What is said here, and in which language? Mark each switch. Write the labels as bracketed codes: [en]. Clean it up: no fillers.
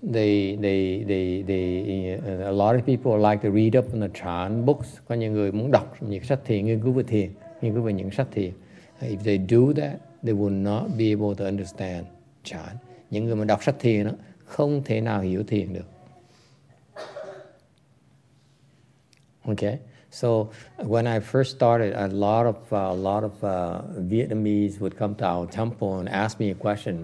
[en] They a lot of people like to read up on the Chan books. [vi] Có nhiều người muốn đọc những sách thiền, nghiên cứu về thiền, nghiên cứu về những sách thiền. [en] If they do that, they will not be able to understand Chan. [vi] Những người mà đọc sách thiền đó không thể nào hiểu thiền được. [en] Okay, so when I first started, a lot of Vietnamese would come to our temple and ask me a question.